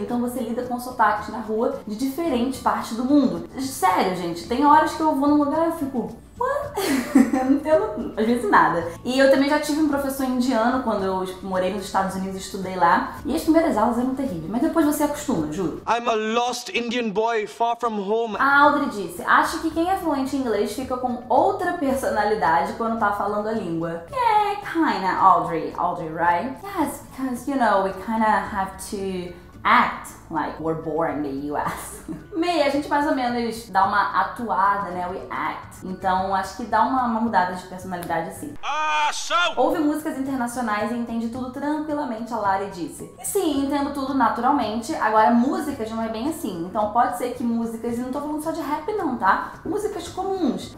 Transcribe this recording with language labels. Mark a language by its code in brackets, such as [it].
[pt] Então você lida com sotaques na rua de diferentes partes do mundo. Sério, gente, tem horas que eu vou num lugar e eu fico... What? Eu não, às vezes nada. E eu também já tive um professor indiano quando eu morei nos Estados Unidos e estudei lá. E as primeiras aulas eram terríveis, mas depois você acostuma, juro. [en] I'm a lost Indian boy far from home. [pt] A Audrey disse: acho que quem é fluente em inglês fica com outra personalidade quando tá falando a língua. [en] Yeah, kinda, Audrey. Audrey, right? Yes, because, you know, we kinda have to act like we're born in the US. [pt] Meia, a gente mais ou menos dá uma atuada, né? [en] We act. [pt] Então, acho que dá uma mudada de personalidade, assim. [en] Awesome. [pt] Ouve músicas internacionais e entende tudo tranquilamente, a Lari disse. E sim, entendo tudo naturalmente. Agora, músicas não é bem assim. Então, pode ser que músicas, e não tô falando só de rap não, tá? Músicas comuns.